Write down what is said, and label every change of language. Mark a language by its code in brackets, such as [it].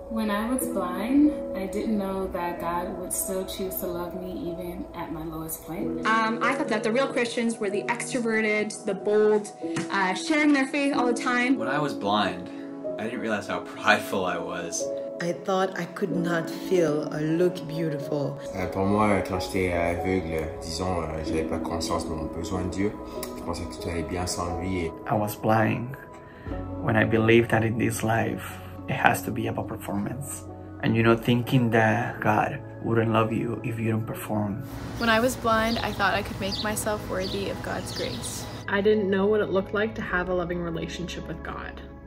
[en] When I was blind, I didn't know that God would still choose to love me even at my lowest point. I thought that the real Christians were the extroverted, the bold, sharing their faith all the time. When I was blind, I didn't realize how prideful I was. I thought I could not feel or look beautiful. [fr] Pour moi, quand j'étais aveugle, disons, j'avais pas conscience de mon besoin de Dieu. Je pensais que tout allait bien sans lui. [en] I was blind when I believed that in this life it has to be about performance, and you know, thinking that God wouldn't love you if you don't perform. When I was blind, I thought I could make myself worthy of God's grace. I didn't know what it looked like to have a loving relationship with God.